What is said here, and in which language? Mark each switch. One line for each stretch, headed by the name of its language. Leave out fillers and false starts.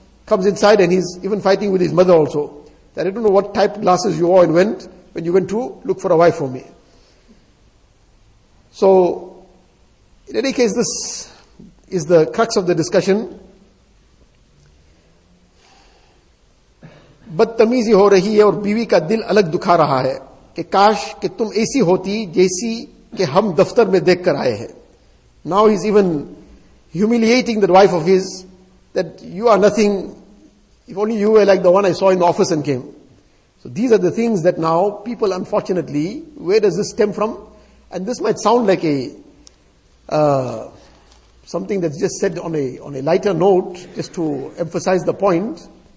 English: comes inside and he's even fighting with his mother also. That I don't know what type of glasses you wore and went when you went to look for a wife for me. So, in any case, this is the crux of the discussion.
Urdu: بدتمیزی ہو رہی ہے اور بیوی کا دل الگ دکھا رہا ہے کہ کاش کہ تم ایسی ہوتی جیسی کہ ہم دفتر میں دیکھ کر آئے ہیں.
English: Now he's even humiliating the wife of his, that you are nothing, if only you were like the one I saw in the office and came. So these are the things that now people, unfortunately, where does this stem from? And this might sound like a something that's just said on a lighter note, just to emphasize the point.